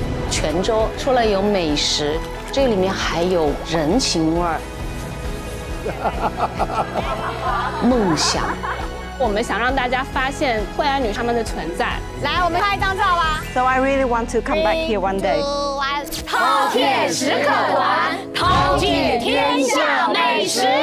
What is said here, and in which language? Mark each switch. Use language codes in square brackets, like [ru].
[zh] 泉州除了有美食，这里面还有人情味儿，梦想。我们想让大家发现惠安女她们的存在。来，我们拍一张照吧。 [en] So I really want to come back here one day. [zh] 饕餮食客团，饕餮天下美食。